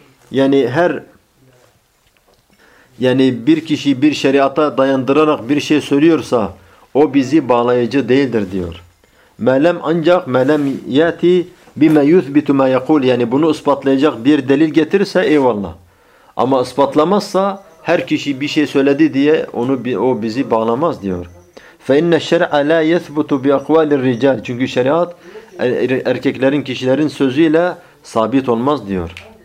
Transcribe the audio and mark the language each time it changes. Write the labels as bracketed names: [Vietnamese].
[Turkish] Yani her yani bir kişi bir şeriata dayandırarak bir şey söylüyorsa o bizi bağlayıcı değildir diyor. [Arabic] مَلَمْ ancak مَلَمْ يَتِ بِمَا يُثْبِتُ مَا يَقُولُ. [Turkish] Yani bunu ispatlayacak bir delil getirirse eyvallah. Ama ispatlamazsa her kişi bir şey söyledi diye onu o bizi bağlamaz diyor. [Arabic] فَاِنَّ الشَّرْعَ لَا يَثْبُتُ بِاَقْوَالِ الرِّجَالِ. [Turkish] Çünkü şeriat erkeklerin, kişilerin sözüyle sabit olmaz diyor.